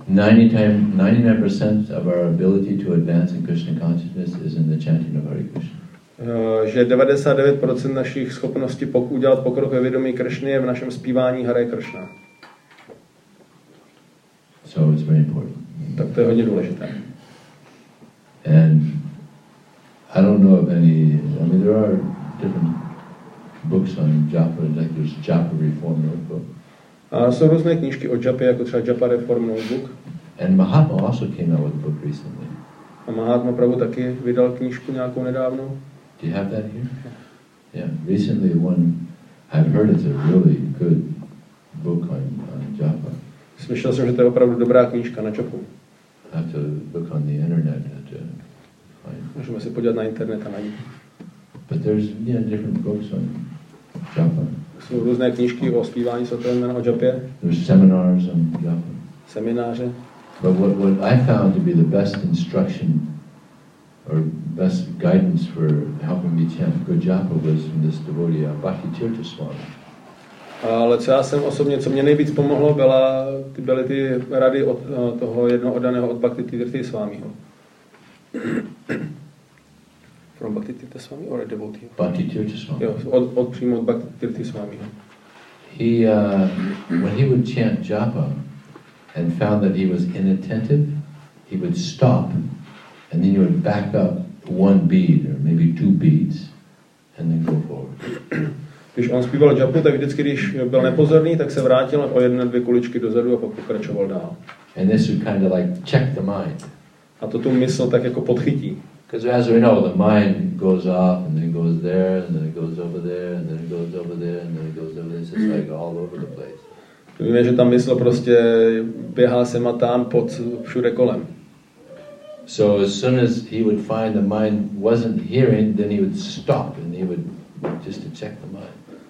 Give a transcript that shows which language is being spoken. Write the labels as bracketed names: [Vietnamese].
[English] 99% of our ability to advance in Krishna consciousness is in the chanting of Hare Krishna. [Czech] Že 99% našich schopností udělat pokrok ve vědomí Krishny je v našem zpívání Hare Krishna. [English] So it's very important. [Czech] Tak to je hodně důležité. [English] And I don't know of any, I mean there are different books on Japa, like there's Japa Reform Notebook. [Czech] A jsou různé knížky o Japě, jako třeba Japa Reform Notebook. [English] And Mahatma also came out with a book recently. [Czech] A Mahatma Prabhu taky vydal knížku nějakou nedávno. [English] Do you have that here? Yeah, recently one, I've heard it's a really good book on Japa. [Czech] Slyšel jsem, že to je opravdu dobrá knížka na Japu. [English] I have to look on the internet at [Czech] Můžeme se podívat na internet a najít. [English] But there's, yeah, different books on Japa. [Czech] Jsou různé knížky o zpívání svatého jména o Japě. [English] There's seminars on Japa. [Czech] Semináře. [English] But what I found to be the best instruction or best guidance for helping me chant good japa was from this devotee, Bhakti Tirtha Swami. [Czech] Ale co já jsem osobně, co mě nejvíc pomohlo, byly ty rady od toho jednoho oddaného od Bhakti Tirtha Swamiho. [English] From Bhakti Tirtha Swami or a devotee? Bhakti Tirtha Swami. [Czech] Jo, od přímo od Bhakti Tirtha Swamiho. [English] When he would chant japa and found that he was inattentive, he would stop. And then you would back up one bead or maybe two beads and then go forward. [Czech] Když on zpíval japu, tak vždycky, když byl nepozorný, tak se vrátil o jedné dvě kuličky dozadu a pak pokračoval dál. [English] And this would kind of like check the mind. [Czech] A to tu mysl tak jako podchytí. [English] Because as we know, the mind goes off and then goes there and then it goes over there and then it goes over there and then it goes over there. It's like all over the place. [Czech] Víme, že ta mysl prostě běhá sem a tam pod všude kolem. [English] So as soon as he would find the mind wasn't hearing, then he would stop and he would just to check the mind.